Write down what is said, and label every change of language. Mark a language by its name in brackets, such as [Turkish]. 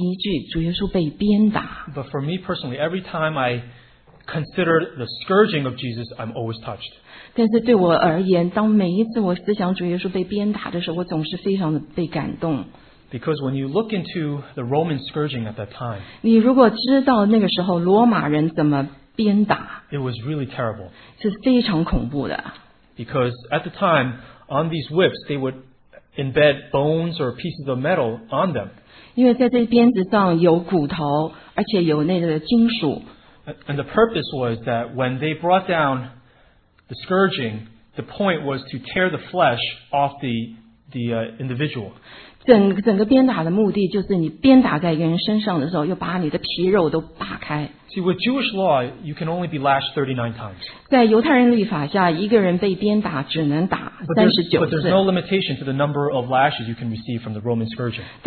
[Chinese] 这我觉得非常有趣，整个圣经呢只有记载这么一句，主耶稣被鞭打。 [English] But for me personally, every time I consider the scourging of Jesus, I'm always touched. [Chinese] 但是对我而言，当每一次我思想主耶稣被鞭打的时候，我总是非常的被感动。 [English] Because when you look into the Roman scourging at that time, [Chinese] 你如果知道那个时候罗马人怎么 [English] It was really terrible. [Chinese] 是非常恐怖的。 [English] Because at the time, on these whips, they would embed bones or pieces of metal on them. [Chinese] 因为在这鞭子上有骨头，而且有那个金属。 [English] And the purpose was that when they brought down the scourging, the point was to tear the flesh off the individual. [Chinese] 整个鞭打的目的就是你鞭打在一个人身上的时候，要把你的皮肉都扒开。 [English] See, with Jewish law, you can only be lashed 39 times. [Chinese] 在犹太人律法下，一个人被鞭打只能打39次。 [English] But there's no limitation to the number of lashes you can receive from the Roman scourging.